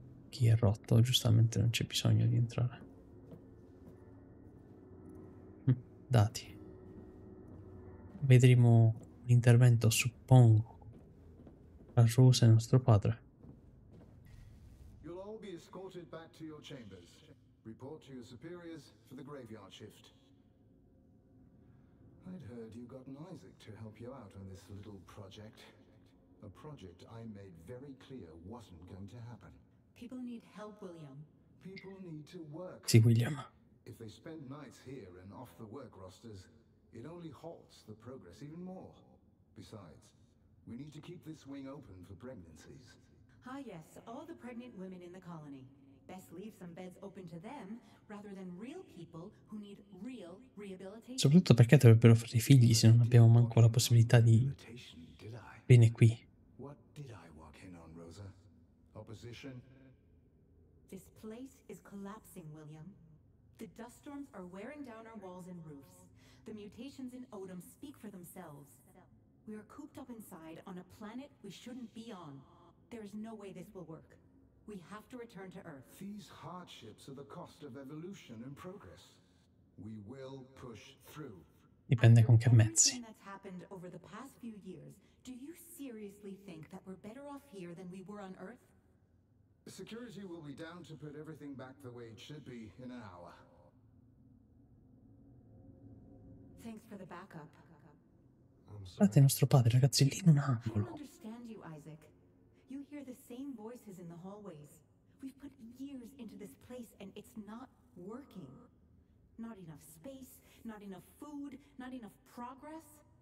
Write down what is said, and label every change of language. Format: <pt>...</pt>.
<it>Chi è rotto, giustamente non c'è bisogno di entrare. Dati. Vedremo l'intervento, suppongo, tra Rosa e nostro padre.</it> <en>You'll all be escorted back to your chambers. Report to your superiors for the graveyard shift. I'd heard you got Isaac to help you out on this little project. A project I made very clear wasn't going to happen. People need help, William. People need to work.</en> <it>Sì, William.</it> <en>If they spend nights here and off the work rosters, it only halts the progress even more. Besides, we need to keep this wing open for pregnancies. Ah, yes, all the pregnant women in the colony. Best leave some beds open to them rather than real people who need real rehabilitation.</en> <it>Soprattutto perché dovrebbero fare i figli se non abbiamo manco la possibilità di venire qui.</it> <en>What did I walk in on, Rosa? Opposition? This place is collapsing, William. The dust storms are wearing down our walls and roofs. The mutations in Odom speak for themselves. We are cooped up inside on a planet we shouldn't be on. There is no way this will work. We have to return to Earth. These hardships are the cost of evolution and progress. We will push through.</en> <it>Dipende con che mezzi.</it> <en>That's happened over the past few years. Do you seriously think that we're better off here than we were on Earth? Security will be down to put everything back the way it should be in an hour. Thanks for the backup.</en> <it>Guardate nostro padre, ragazzi, lì in un angolo.</it> <en>I understand you, Isaac. You hear the same voices in the hallways. We've put years into this place and it's not working. Not enough space, not enough food, not enough progress.</en>